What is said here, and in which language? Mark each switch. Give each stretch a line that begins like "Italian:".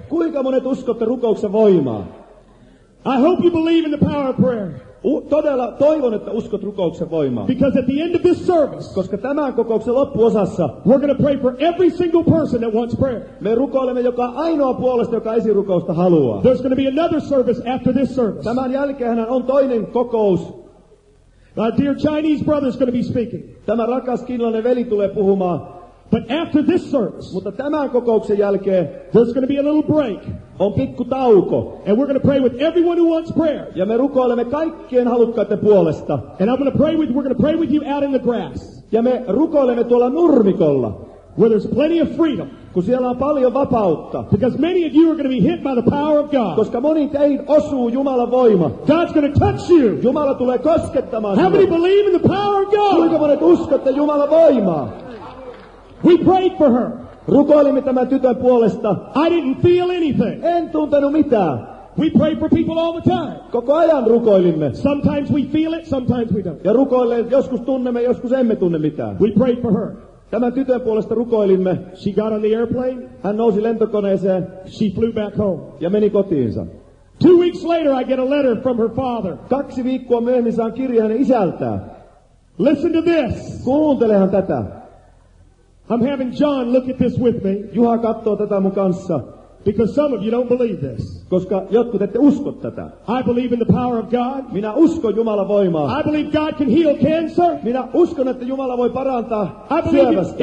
Finnish: Kuinka monet uskotte rukouksen voimaa?
English: I hope you believe in the power of prayer.
Finnish: Todella toivon, että uskot rukouksen voimaa.
English: Because at the end of this service,
Finnish: koska tämän kokouksen loppuosassa,
English: we're going to pray for every single person that wants prayer.
Finnish: Me rukoilemme joka ainoa puolesta, joka esirukousta haluaa.
English: There's going to be another service after this service.
Finnish: Tämän jälkeen on toinen kokous.
English: My dear Chinese brother is going to be speaking.
Finnish: Tämä rakas kiinalainen veli tulee puhumaan.
English: But after this service,
Finnish: mutta tämän kokouksen jälkeen,
English: there's going to be a little break.
Finnish: On pikku tauko.
English: And we're going to pray with everyone who wants prayer.
Finnish: Ja me rukoilemme kaikkien halukkaiden puolesta.
English: And we're going to pray with you out in the grass.
Finnish: Ja me rukoilemme tuolla nurmikolla.
English: Where there's plenty of freedom.
Finnish: Kun siellä on paljon vapautta.
English: Because many of you are going to be hit by the power of God.
Finnish: Koska moni teihin osuu Jumalan voima.
English: God's going to touch you.
Finnish: Jumala tulee koskettamaan.
English: How many believe in the power of God?
Finnish: Kuinka monet uskotte Jumalan voimaa?
English: We prayed for her.
Finnish: Rukoilimme tämän tytön puolesta.
English: I didn't feel anything.
Finnish: En tuntenut mitään.
English: We pray for people all the time.
Finnish: Koko ajan rukoilimme.
English: Sometimes we feel it, sometimes we don't.
Finnish: Ja rukoilleen, joskus tunnemme, joskus emme tunne mitään.
English: We prayed for her.
Finnish: Tämän tytön puolesta rukoilimme.
English: She got on the airplane.
Finnish: Hän nousi lentokoneeseen.
English: She flew back home.
Finnish: Ja meni kotiinsa.
English: 2 weeks later, I get a letter from her father.
Finnish: 2 viikkoa myöhemmin saan kirjeen hänen isältään.
English: Listen to this.
Finnish: Kuuntelehan tätä.
English: I'm having John look at this with me.
Finnish: Juha katsoo tätä mun kanssa.
English: Because some of you don't believe this.
Finnish: Koska jotkut ette usko tätä.
English: I believe in the power of God.
Finnish: Minä uskon Jumalan voimaa.
English: I believe God can heal cancer.
Finnish: Minä uskon, että Jumala voi parantaa syövästä.